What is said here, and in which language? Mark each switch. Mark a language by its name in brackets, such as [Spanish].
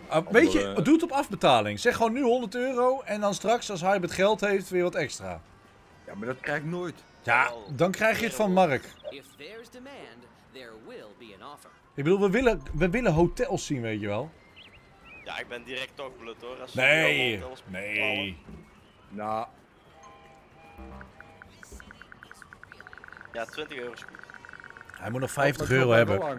[Dutch] Weet je, doe het op afbetaling. Zeg gewoon nu 100 euro en dan straks, als hij het geld heeft, weer wat extra. Ja, maar dat krijg ik nooit. Ja, dan krijg je het van Mark. [English] If there's demand, there will be an offer. [Dutch] Ik bedoel, we willen hotels zien, weet je wel. Ja, ik ben direct toch blut, hoor. Als nee. Nou. Ja, 20 euro is goed. Hij moet nog 50 euro hebben.